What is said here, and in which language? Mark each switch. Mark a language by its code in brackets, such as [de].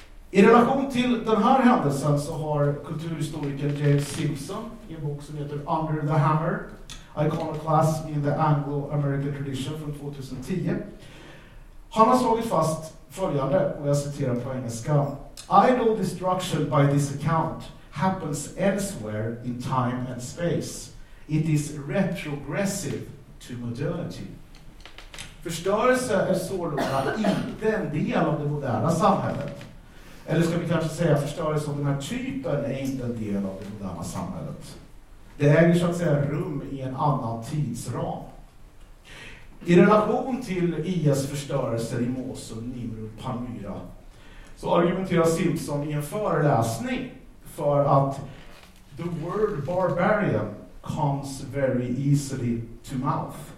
[sv] I relation till den här händelsen så har kulturhistoriker James Simpson i en bok som heter Under the Hammer, Iconoclasm in the Anglo-American Tradition från 2010. Han har slagit fast följande, och jag citerar på engelska. [en] Idol destruction by this account happens elsewhere in time and space. It is retrogressive to modernity. [sv] Förstörelse är sålunda inte en del av det moderna samhället. Eller ska vi kanske säga förstörelse av den här typen är inte en del av det moderna samhället. Det äger så att säga rum i en annan tidsram. I relation till IS förstörelser i Mosul, Nimr och Palmyra så argumenterar Simpson i en föreläsning för att [en] the word barbarian comes very easily to mouth.